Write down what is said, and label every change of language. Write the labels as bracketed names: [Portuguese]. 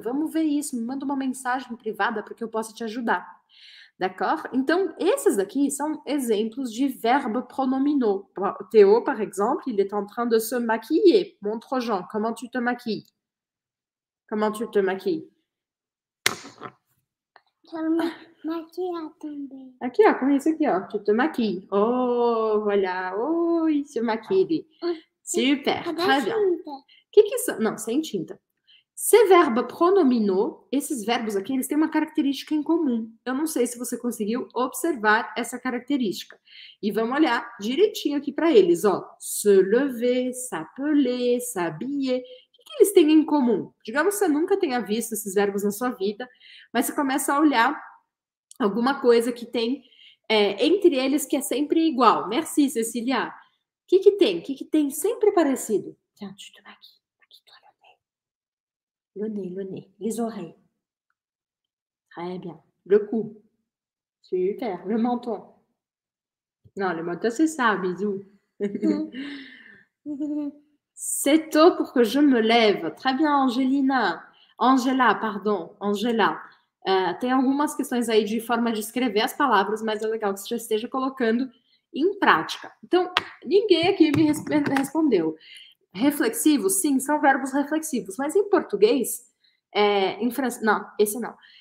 [Portuguese] Vamos ver isso. Me manda uma mensagem privada para que eu possa te ajudar. [French] D'accord? [Portuguese] Então, esses aqui são exemplos de verbos pronominaux. [French] Théo, par exemple, il est en train de se maquiller. Montre aux gens. Comment tu te maquilles? Comment tu te maquilles? [Portuguese] Maquiar também. Aqui, ó, com isso aqui, ó. [French] Tu te maquilles. Oh, voilà. [Portuguese] Oi, [French] se maquille. [Portuguese] Super, [French] très bien. [Portuguese] Que são? Não, sem tinta. [French] Ces verbes pronominaux, [Portuguese] esses verbos aqui, eles têm uma característica em comum. Eu não sei se você conseguiu observar essa característica. E vamos olhar direitinho aqui para eles, ó. [French] Se lever, s'appeler, s'habiller. [Portuguese] O que eles têm em comum? Digamos que você nunca tenha visto esses verbos na sua vida, mas você começa a olhar alguma coisa que tem entre eles que é sempre igual. Merci, Cecília. O que tem? O que tem sempre parecido? [French] Tiens, tu te maquilles. Aqui, tu as le nez. Le nez, le nez. Les oreilles. Très bien. Le cou. Super. Le menton. Non, le menton, c'est ça. Bisous. C'est tôt pour que je me lève. Très bien, Angelina. Angela, pardon. Angela. [Portuguese] Tem algumas questões aí de forma de escrever as palavras, mas é legal que você já esteja colocando em prática. Então, ninguém aqui me respondeu. Reflexivos, sim, são verbos reflexivos, mas em português, em francês, não, esse não.